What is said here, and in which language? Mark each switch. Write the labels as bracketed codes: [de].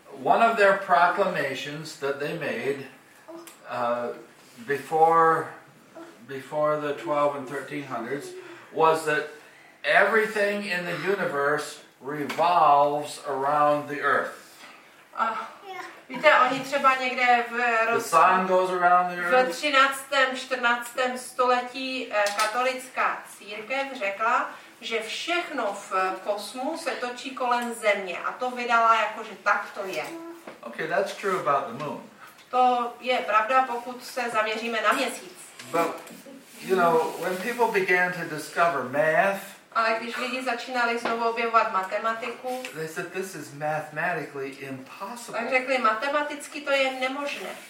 [en] One of their proclamations that they made before the 12 and 1300s was that everything in the universe revolves around the earth. [cs] Víte, oni třeba někde [en] the sun goes around the earth. [cs] V 13. 14. století katolická církev řekla, že všechno v kosmu se točí kolem Země a to vydala jako, že tak to je. [en] Okay, that's true about the moon. [cs] To je pravda, pokud se zaměříme na měsíc. [en] But, you know, when people began to discover math, [cs] ale když lidi začínali znovu objevovat matematiku, [en] they said, this is mathematically impossible. [cs] Tak řekli, matematicky to je nemožné.